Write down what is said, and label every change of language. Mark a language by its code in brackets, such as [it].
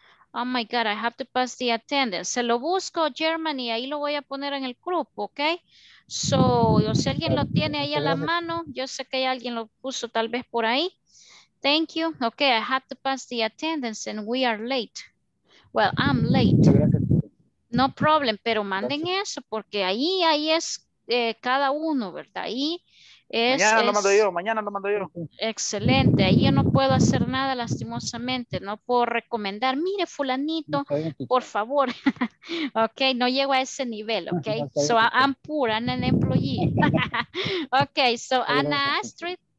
[en] Oh my God, I have to pass the attendance. [es] Se lo busco, Germany, ahí lo voy a poner en el grupo, ¿ok? So, o si alguien lo tiene ahí a la mano, yo sé que alguien lo puso tal vez por ahí. [en] Thank you. Ok, I have to pass the attendance and we are late. Well, I'm late. No problem, [es] pero manden eso porque ahí es cada uno, ¿verdad? Ahí. Mañana lo mando yo. Excelente, ahí yo no puedo hacer nada lastimosamente, no puedo recomendar, mire fulanito, por favor, ok, no llego a ese nivel, ok, [en] so I'm poor, I'm an employee, ok, so [es] Ana Astrid,